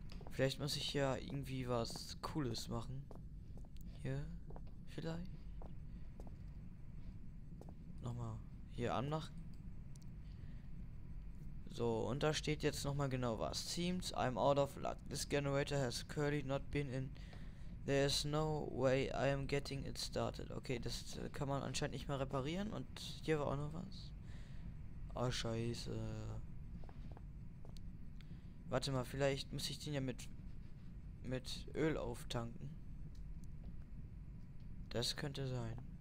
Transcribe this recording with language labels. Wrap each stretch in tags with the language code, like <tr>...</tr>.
<de>Vielleicht muss ich ja irgendwie was Cooles machen. Hier, vielleicht. Nochmal hier anmachen. So, und da steht jetzt nochmal genau was.</de> <en>Seems I'm out of luck. This generator has currently not been in. There is no way I am getting it started.</en> <de>Okay, das kann man anscheinend nicht mehr reparieren. Und hier war auch noch was. Oh, Scheiße. Warte mal, vielleicht muss ich den ja mit Öl auftanken. Das könnte sein.</de>